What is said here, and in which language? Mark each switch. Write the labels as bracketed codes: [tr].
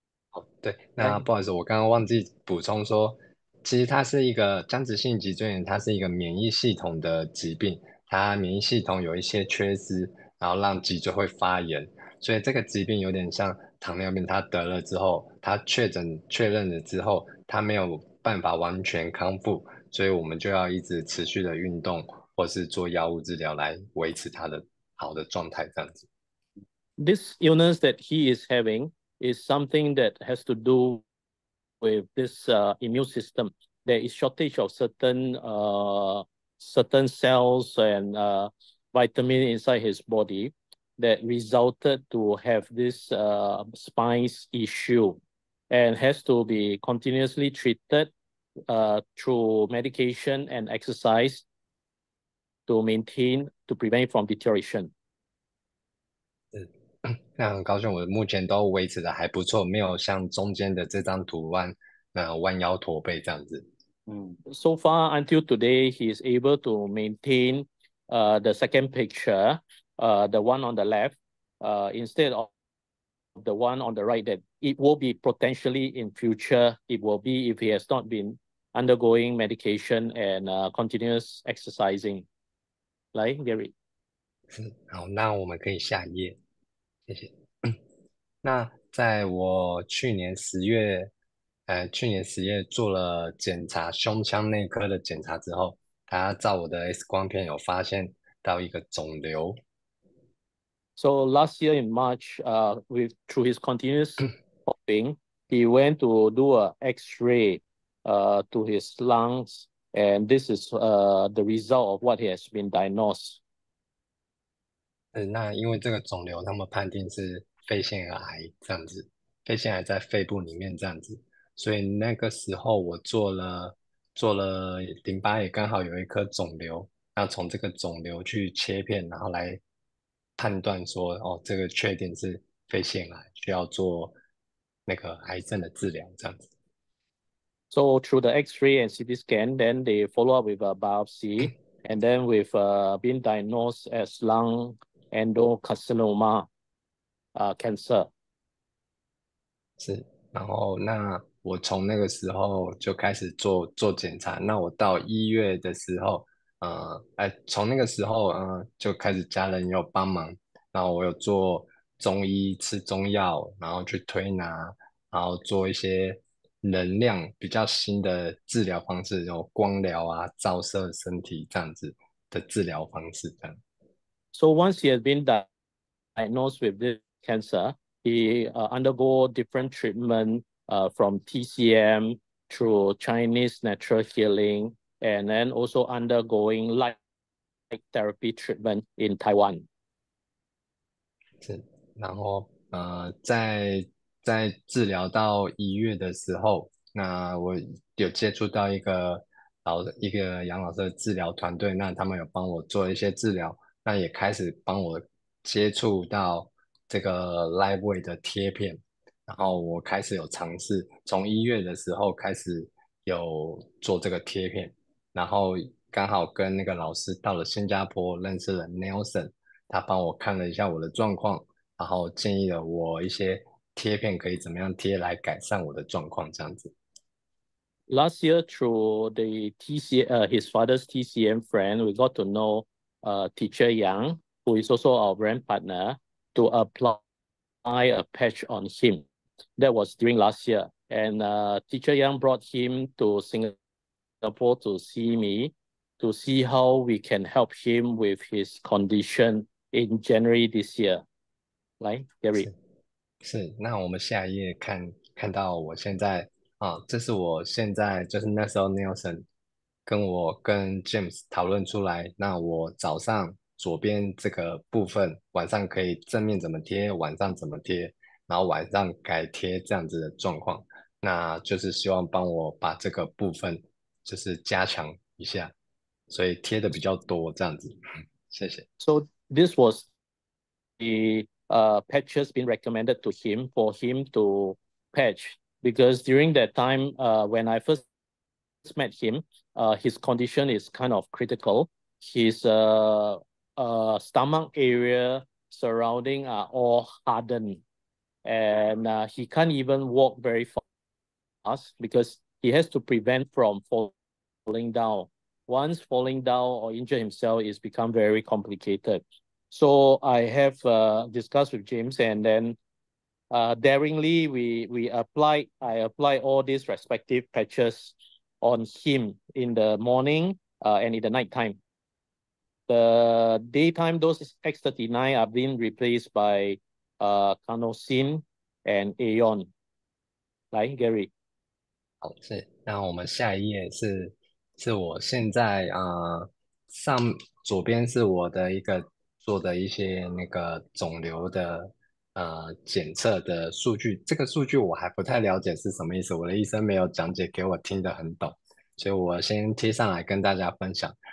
[zh] 好，对，那不好意思，我刚刚忘记补充说，其实它是一个僵直性脊椎炎，它是一个免疫系统的疾病，它免疫系统有一些缺失，然后让脊椎会发炎，所以这个疾病有点像糖尿病，它得了之后，它确认了之后，它没有办法完全康复，所以我们就要一直持续的运动，或是做药物治疗来维持它的好的状态，这样子。 [en] This illness that he is having is something that has to do with this immune system. There is shortage of certain cells and vitamin inside his body that resulted to have this spine issue and has to be continuously treated through medication and exercise to maintain, to prevent from deterioration. [zh] 那很高兴我目前都维持的还不错，没有像中间的这张图弯，弯腰驼背这样子。 [en] So far until today, he is able to maintain the second picture, the one on the left, instead of the one on the right, that it will be potentially in future, it will be if he has not been undergoing medication and continuous exercising. [zh] 来 Gary. 好，那我们可以下一页。谢谢。那在我去年十月，去年十月做了检查，胸腔内科的检查之后，他照我的 X 光片有发现到一个肿瘤。 [en] So last year in March, through his continuous coughing, he went to do a X-ray, to his lungs, and this is the result of what he has been diagnosed. [zh] 那因为这个肿瘤他们判定是肺腺癌这样子，肺腺癌在肺部里面这样子，所以那个时候我做了淋巴也刚好有一颗肿瘤，那从这个肿瘤去切片，然后来判断说，哦，这个确定是肺腺癌，需要做那个癌症的治疗这样子。 [en] So through the X-ray and CT scan, then they follow up with a biopsy, and then with being diagnosed as lung endocarcinoma, cancer. [zh] 是，然后那我从那个时候就开始做检查。那我到一月的时候，从那个时候，就开始家人有帮忙，然后我有做中医，吃中药，然后去推拿，然后做一些能量比较新的治疗方式，有光疗啊、照射身体这样子的治疗方式这样。 [en] So once he has been diagnosed with this cancer, he undergo different treatment from TCM through Chinese natural healing, and then also undergoing light therapy treatment in Taiwan. [zh] 是，然后在治疗到一月的时候，那我有接触到一个杨老师的治疗团队，那他们有帮我做一些治疗，那也开始帮我接触到这个 LifeWay 的贴片，然后我开始有尝试，从一月的时候开始有做这个贴片，然后刚好跟那个老师到了新加坡认识了 Nelson， 他帮我看了一下我的状况，然后建议了我一些贴片可以怎么样贴来改善我的状况这样子。 [en] Last year through the his father's TCM friend, we got to know teacher Yang, who is also our brand partner, to apply a patch on him. That was during last year. And teacher Yang brought him to Singapore to see me, to see how we can help him with his condition in January this year. [zh] 来 Gary. 是，那我们下一页看到我现在这是我现在，就是那时候 Nelson 跟 James 讨论出来，那我早上左边这个部分，晚上可以正面怎么贴，晚上怎么贴，然后晚上改贴这样子的状况，那就是希望帮我把这个部分就是加强一下，所以贴的比较多这样子。谢谢。 [en] So this was the patches been recommended to him for him to patch, because during that time when I first met him, his condition is kind of critical. His stomach area surrounding are all hardened, and he can't even walk very fast because he has to prevent from falling down. Once falling down or injure himself, it's become very complicated. So I have discussed with James, and then daringly I applied all these respective patches on him in the morning and in the night time. The daytime, those X39 are being replaced by Canosin and Aeon. [zh] 来 Gary. 好，是，那我们下一页是我现在上左边是我的一个做的一些那个肿瘤的检测的数据，这个数据我还不太了解是什么意思，我的医生没有讲解给我听得很懂，所以我先贴上来跟大家分享。